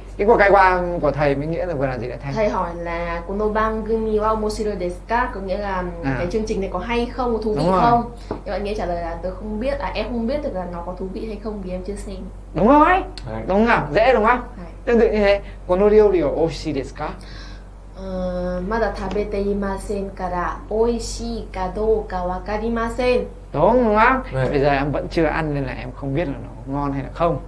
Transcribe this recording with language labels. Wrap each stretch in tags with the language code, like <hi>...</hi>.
<vi>Cái cuộc khai quang của thầy mới nghĩa là vừa là gì đấy thầy? Thầy hỏi là</vi> <ja>この番組は面白いですか?</ja> <vi>Có nghĩa là cái chương trình này có hay không, có thú vị không? Thì bạn nghĩa trả lời là tôi không biết, à em không biết được là nó có thú vị hay không vì em chưa xem. Đúng rồi, đúng không? Dễ đúng không? Tương tự như thế,</vi> <ja>この料理は美味しいですか? まだ食べていませんから美味しいかどうかわかりません。</ja> <vi>Đúng không? Bây giờ em vẫn chưa ăn nên là em không biết là nó ngon hay là không.</vi>